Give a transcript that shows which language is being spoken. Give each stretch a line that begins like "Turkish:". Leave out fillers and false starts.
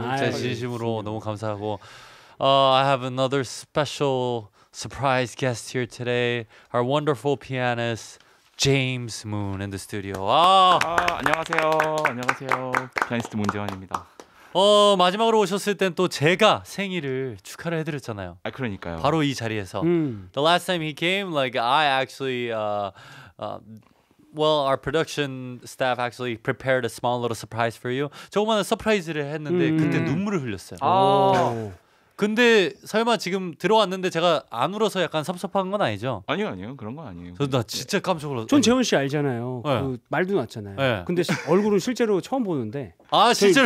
Korean: 진짜 진심으로 너무 감사하고
English: I have another special surprise guest here today. Our wonderful pianist James Moon in the studio.
Korean: 아, 안녕하세요. 안녕하세요. 피아니스트 문재환입니다. 마지막으로 오셨을 땐 또 제가 생일을 축하를 해드렸잖아요. 아, 그러니까요. 바로 이 자리에서.
English: The last time he came, like I actually, well, our production staff actually prepared a small little surprise for you.
Korean: 저번에 서프라이즈를 했는데 그때 눈물을 흘렸어요. 아. 근데 설마 지금 들어왔는데 제가 안 울어서 약간 섭섭한 건 아니죠? 아니요 아니요 그런 건 아니에요. 저 나 진짜 깜짝 놀랐어요. 전 재훈 씨 알잖아요. 네. 그 말도 났잖아요. 네. 근데 얼굴은 실제로 처음 보는데. 아 실제로